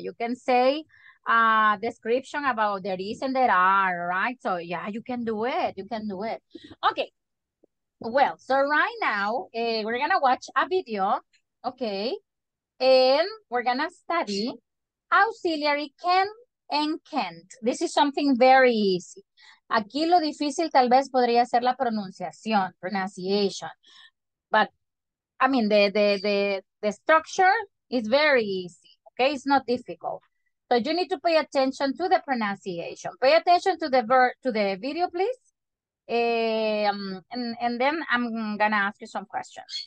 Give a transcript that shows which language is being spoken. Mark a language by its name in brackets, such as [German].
[English] You can say a description about there is and there are, right? So, yeah, you can do it. You can do it. Okay. Well, so right now, we're going to watch a video, okay? And we're going to study auxiliary can and can't. This is something very easy. [Spanish] Aquí lo difícil tal vez podría ser la pronunciación, [English] pronunciation. But, I mean, the structure is very easy. Okay, it's not difficult. So you need to pay attention to the pronunciation. Pay attention to the video, please. And then I'm gonna ask you some questions.